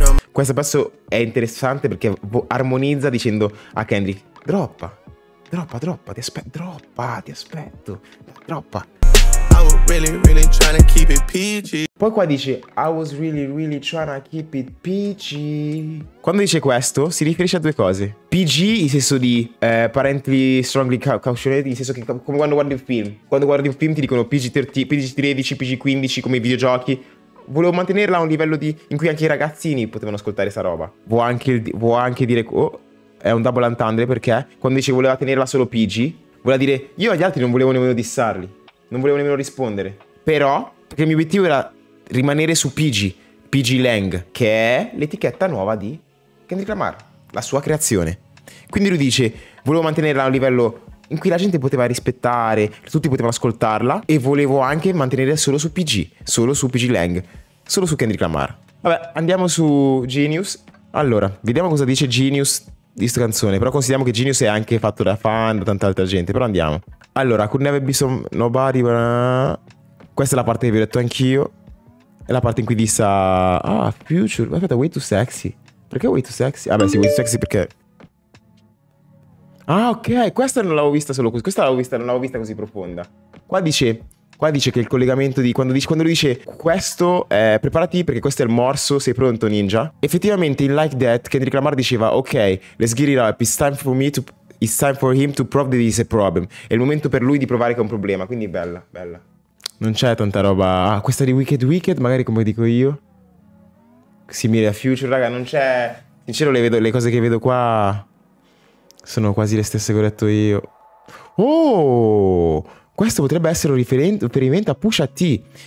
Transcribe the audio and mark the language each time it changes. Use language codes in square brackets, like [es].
[it] Questo pezzo è interessante perché armonizza dicendo a Kendrick, droppa. Droppa, ti aspetto. Droppa. [en] I was really, really trying to keep it PG. [it] Poi qua dice [en] I was really really trying to keep it PG. [it] Quando dice questo si riferisce a due cose. PG in senso di [en] apparently strongly cautioned, [it] in senso che come quando guardi un film. Quando guardi un film ti dicono PG-13, PG-15 come i videogiochi. Volevo mantenerla a un livello di in cui anche i ragazzini potevano ascoltare sta roba. Vuoi anche dire oh, è un double entendre, perché quando dice voleva tenerla solo PG voleva dire io agli altri non volevo nemmeno dissarli, non volevo nemmeno rispondere. Però perché il mio obiettivo era rimanere su PG Lang, che è l'etichetta nuova di Kendrick Lamar, la sua creazione. Quindi lui dice volevo mantenerla a un livello in cui la gente poteva rispettare, tutti potevano ascoltarla, e volevo anche mantenere solo su PG, solo su PG Lang, solo su Kendrick Lamar. Vabbè, andiamo su Genius. Allora, vediamo cosa dice Genius di questa canzone. Però consideriamo che Genius è anche fatto da fan, da tanta altra gente. Però andiamo. Allora, [en] could never be some nobody, but... [it] questa è la parte che vi ho detto anch'io. È la parte in cui dissa ah, Future, aspetta, [en] way too sexy. [it] Perché way too sexy? Vabbè, sì, [en] way too sexy [it] perché... ah, ok, questa non l'avevo vista solo così. Questa l'avevo vista, non l'avevo vista così profonda. Qua dice che il collegamento di... quando lui dice questo, preparati perché questo è il morso, sei pronto, ninja? Effettivamente, in Like That, Kendrick Lamar diceva [en] ok, let's get it up, it's time for him to prove that he's a problem. [it] È il momento per lui di provare che è un problema. Quindi bella, bella. Non c'è tanta roba... ah, questa di Wicked Wicked, magari come dico io. Simile a Future, raga, non c'è... sincero, le cose che vedo qua... sono quasi le stesse che ho detto io. Oh! Questo potrebbe essere un riferimento a Pusha T.